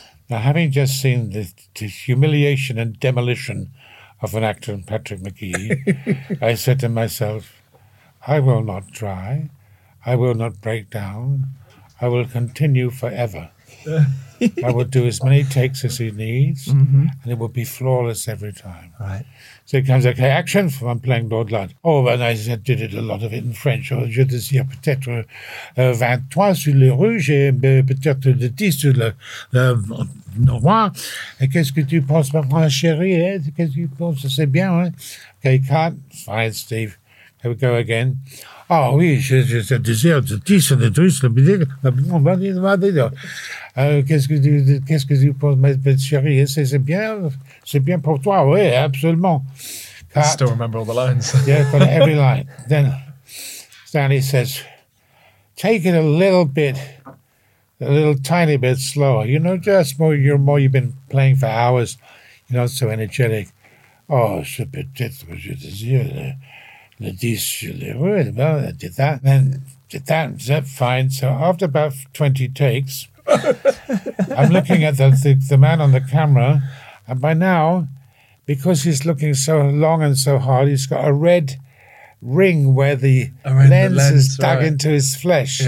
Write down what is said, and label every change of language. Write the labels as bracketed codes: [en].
[en] Now, having just seen the humiliation and demolition of an actor in Patrick McGee, I said to myself, I will not try. I will not break down. I will continue forever. I would do as many takes as he needs, and it would be flawless every time. Right. So it comes, okay, action, from I'm playing Lord Lud. Oh, and I did it a lot of it in French. [fr] Oh, je désire peut-être vingt trois sur le rouge et peut-être le dix sur le noir. Et qu'est-ce que tu penses, ma grande chérie? Qu'est-ce que tu penses? C'est bien, hein? [en] Okay, cut. Fine, Steve. Here we go again. [fr] Oh, oui, je désire le dix sur le rouge, le bidet, le bon, le bon, le bon, le bon. Qu'est-ce que tu penses, ma petite chérie? C'est bien? C'est bien pour toi, oui, absolument. [en] Cut. I still remember all the lines. Yeah, but every line. Then Stanley says, take it a little bit, a little tiny bit slower. You know, just more, you're more, you've been playing for hours. You're not so energetic. [fr] Oh, c'est peut-être que je désire le 10 sur le rouge. [en] Well, I did that. Then did that, zip, fine. So after about 20 takes, I'm looking at the man on the camera. And by now, because he's looking so long and so hard, he's got a red ring where the lens is dug into his flesh.